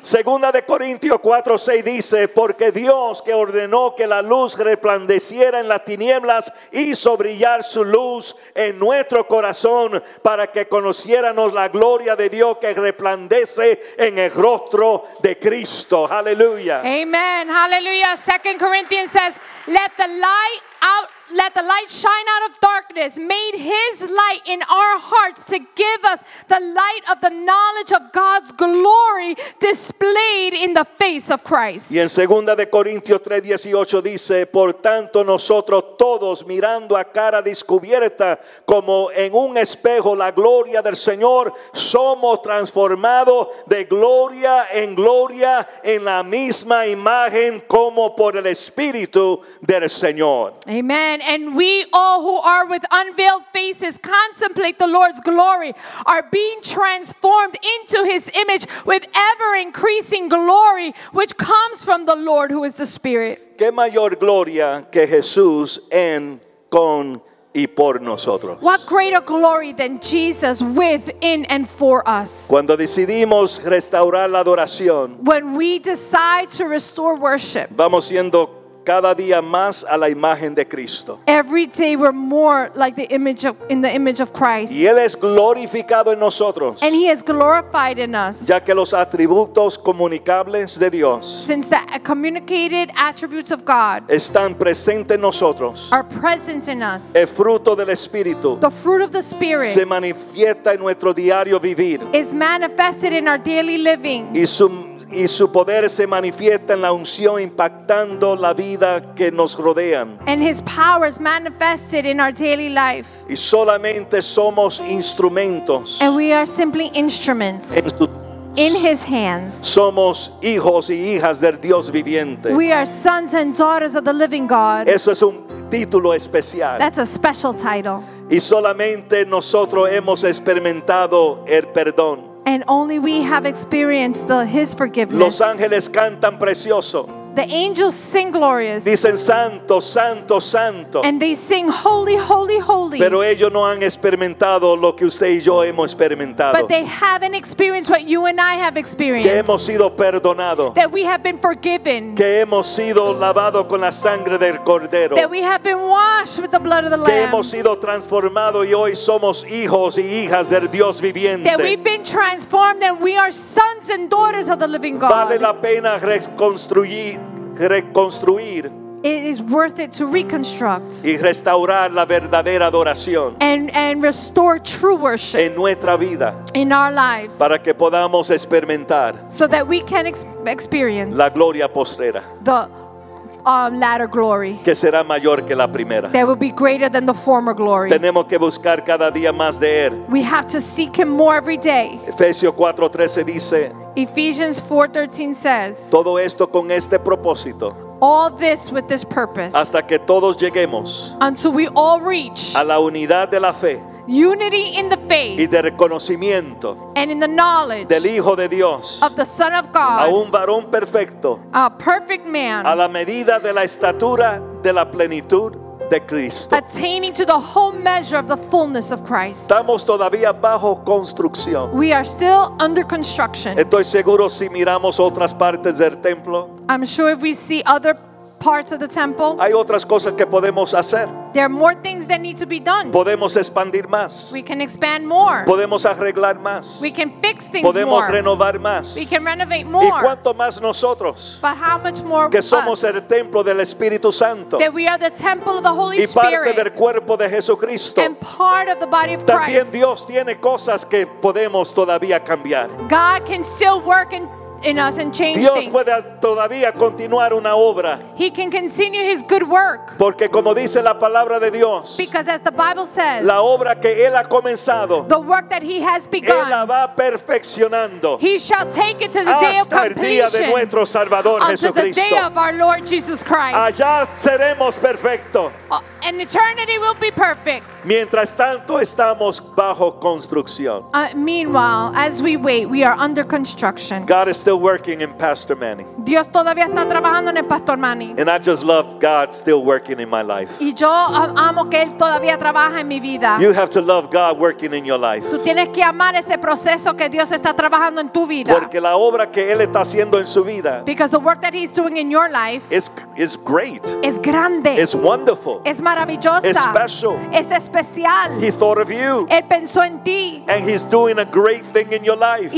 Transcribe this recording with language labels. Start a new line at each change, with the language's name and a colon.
Spanish: Segunda de Corintios 4:6 dice, porque Dios que ordenó que la luz resplandeciera en las tinieblas hizo brillar su luz en nuestro corazón para que conociéramos la gloria de Dios que resplandece en el rostro de Cristo.
English: Hallelujah. Amen. Hallelujah. 2 Corinthians says, let the light shine out of darkness, made his light in our hearts to give us the light of the knowledge of God's glory displayed in the face of Christ.
Spanish: Y en segunda de Corintios 3:18 dice, por tanto nosotros todos mirando a cara descubierta como en un espejo la gloria del Señor, somos transformados de gloria en la misma imagen como por el Espíritu del Señor.
English: Amen. And we all who are with unveiled faces contemplate the Lord's glory are being transformed into his image with ever increasing glory which comes from the Lord who is the Spirit.
Spanish: ¿Qué mayor gloria que Jesús en, con y por nosotros?
English: What greater glory than Jesus with, in, and for us?
Spanish: Cuando decidimos restaurar la adoración,
English: when we decide to restore worship,
Spanish: vamos siendo cada día más a la imagen de Cristo.
English: Every day we're more like the image of, in the image of Christ.
Spanish: Y él es glorificado en nosotros.
English: And he is glorified in us.
Spanish: Ya que los atributos comunicables de Dios,
English: since the communicated attributes of God,
Spanish: están presentes en nosotros,
English: are present in us.
Spanish: El fruto del Espíritu,
English: the fruit of the Spirit,
Spanish: se manifiesta en nuestro diario vivir,
English: is manifested in our daily living.
Spanish: Y su poder se manifiesta en la unción impactando la vida que nos rodean.
English: And his power is manifested in our daily life.
Spanish: Y solamente somos instrumentos.
English: And we are simply instruments. In his hands.
Spanish: Somos hijos y hijas del Dios viviente.
English: We are sons and daughters of the living God.
Spanish: Eso es un título especial.
English: That's a special title.
Spanish: Y solamente nosotros hemos experimentado el perdón.
English: And only we have experienced his forgiveness.
Spanish: Los ángeles cantan precioso.
English: The angels sing glorious.
Spanish: Dicen santo, santo, santo.
English: And they sing holy, holy, holy.
Spanish: Pero ellos no han experimentado lo que usted y yo hemos experimentado.
English: But they haven't experienced what you and I have experienced.
Spanish: Que hemos sido perdonado.
English: That we have been forgiven.
Spanish: Que hemos sido lavado con la sangre del cordero.
English: That we have been washed with the blood of the lamb.
Spanish: Que hemos sido transformado y hoy somos hijos y hijas del Dios viviente.
English: That we've been transformed and we are sons and daughters of the living God.
Spanish: Vale la pena reconstruir.
English: It is worth it to reconstruct
Spanish: y restaurar la verdadera adoración
English: and restore true worship
Spanish: en nuestra vida,
English: in our lives,
Spanish: para que podamos experimentar,
English: so that we can experience
Spanish: la gloria postrera,
English: the latter glory,
Spanish: que será mayor que la primera,
English: that will be greater than the former glory.
Spanish: Tenemos que buscar cada día más de él.
English: We have to seek him more every day.
Spanish: Efesios 4:13 dice,
English: Ephesians 4:13 says,
Spanish: todo esto con este propósito,
English: all this with this purpose,
Spanish: hasta que todos lleguemos,
English: until we all reach
Spanish: a la unidad de la fe,
English: unity in the faith,
Spanish: y de reconocimiento,
English: and in the knowledge
Spanish: del Hijo de Dios,
English: of the Son of God,
Spanish: a un varón perfecto,
English: a perfect man,
Spanish: a la medida de la estatura de la plenitud de Cristo,
English: attaining to the whole measure of the fullness of Christ.
Spanish: Estamos todavía bajo construcción.
English: We are still under construction.
Spanish: Estoy seguro si miramos otras partes del templo,
English: I'm sure if we see other parts of the temple,
Spanish: hay otras cosas que podemos hacer.
English: There are more things that need to be done.
Spanish: Podemos expandir más.
English: We can expand more.
Spanish: Podemos arreglar más.
English: We can fix things
Spanish: podemos
English: more.
Spanish: Podemos renovar más.
English: We can renovate more.
Spanish: ¿Y cuánto más nosotros?
English: But how much more
Spanish: que
English: us?
Spanish: Somos el templo del Espíritu Santo.
English: That we are the temple of the Holy Spirit.
Spanish: Y parte del cuerpo de Jesucristo.
English: And part of the body of Christ.
Spanish: También Dios tiene cosas que podemos todavía cambiar.
English: God can still work and in us and change
Spanish: Dios
English: things.
Spanish: Puede todavía continuar una obra.
English: He can continue his good work.
Spanish: Porque como dice la palabra de Dios,
English: because as the Bible says,
Spanish: la obra que él ha comenzado,
English: the work that he has begun,
Spanish: él la va perfeccionando.
English: He shall take it to the day of completion.
Spanish: Hasta el día de nuestro Salvador Jesucristo.
English: Until the day of our Lord Jesus Christ.
Spanish: Allá seremos perfectos.
English: And eternity will be perfect.
Spanish: Mientras tanto estamos bajo construcción.
English: Meanwhile, as we wait, we are under construction. God is still working in Pastor Manny.
Spanish: Dios todavía está trabajando en el Pastor Manny.
English: And I just love God still working in my life.
Spanish: Y yo amo que él todavía trabaja en mi vida.
English: You have to love God working in your life.
Spanish: Tú tienes que amar ese proceso que Dios está trabajando en tu vida. Porque la obra que él está haciendo en su vida.
English: Because the work that he's doing in your life is great.
Spanish: Es grande.
English: It's wonderful.
Spanish: Es maravillosa.
English: It's special.
Spanish: Es especial.
English: He thought of you.
Spanish: Él pensó en ti.
English: And he's doing a great thing in your life.